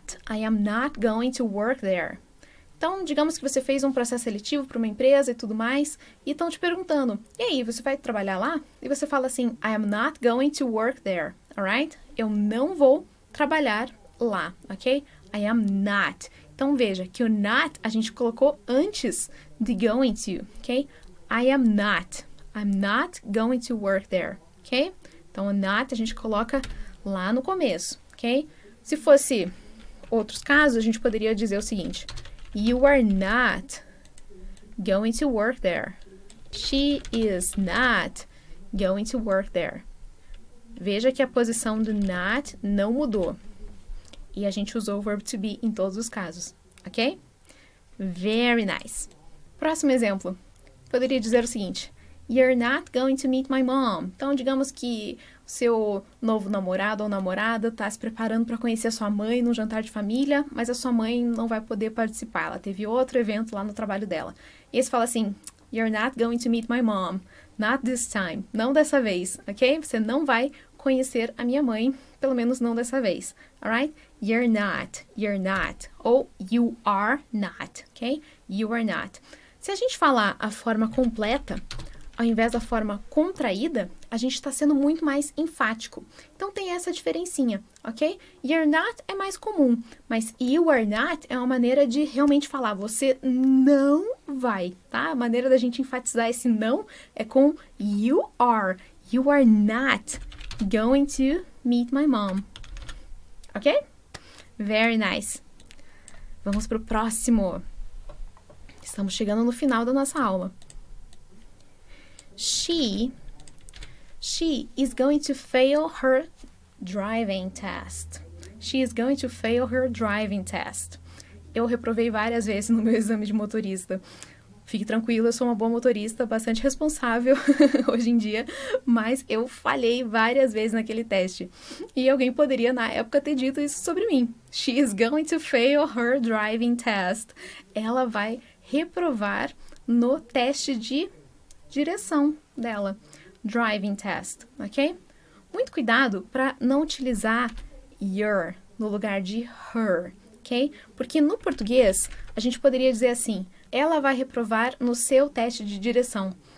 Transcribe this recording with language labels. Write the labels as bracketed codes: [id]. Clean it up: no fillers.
[en] I am not going to work there. [pt] Então, digamos que você fez um processo seletivo para uma empresa e tudo mais, e estão te perguntando, e aí, você vai trabalhar lá? E você fala assim, [en] I am not going to work there, alright? [pt] Eu não vou trabalhar lá, ok? [en] I am not. [pt] Então, veja que o not a gente colocou antes de going to, ok? [en] I am not. I'm not going to work there, ok? [pt] Então, o not a gente coloca lá no começo, ok? Se fosse outros casos, a gente poderia dizer o seguinte, [en] you are not going to work there. She is not going to work there. [pt] Veja que a posição do not não mudou. E a gente usou o verbo to be em todos os casos, ok? [en] Very nice. [pt] Próximo exemplo. Poderia dizer o seguinte. [en] You're not going to meet my mom. [pt] Então, digamos que o seu novo namorado ou namorada está se preparando para conhecer a sua mãe num jantar de família, mas a sua mãe não vai poder participar. Ela teve outro evento lá no trabalho dela. E você fala assim, [en] you're not going to meet my mom. Not this time. [pt] Não dessa vez, ok? Você não vai conhecer a minha mãe, pelo menos não dessa vez. [en] Alright? You're not, ou you are not, ok? You are not. [pt] Se a gente falar a forma completa, ao invés da forma contraída, a gente está sendo muito mais enfático. Então, tem essa diferencinha, ok? [en] You're not [pt] é mais comum, mas [en] you are not [pt] é uma maneira de realmente falar, você não vai, tá? A maneira da gente enfatizar esse não é com [en] you are not going to meet my mom, ok? Very nice. [pt] Vamos para o próximo. Estamos chegando no final da nossa aula. [en] She is going to fail her driving test. She is going to fail her driving test. [pt] Eu reprovei várias vezes no meu exame de motorista. Fique tranquila, eu sou uma boa motorista, bastante responsável hoje em dia, mas eu falhei várias vezes naquele teste. E alguém poderia, na época, ter dito isso sobre mim. [en] She is going to fail her driving test. [pt] Ela vai reprovar no teste de direção dela. Driving test, ok? Muito cuidado para não utilizar your no lugar de her, ok? Porque no português, a gente poderia dizer assim, ela vai reprovar no seu teste de direção.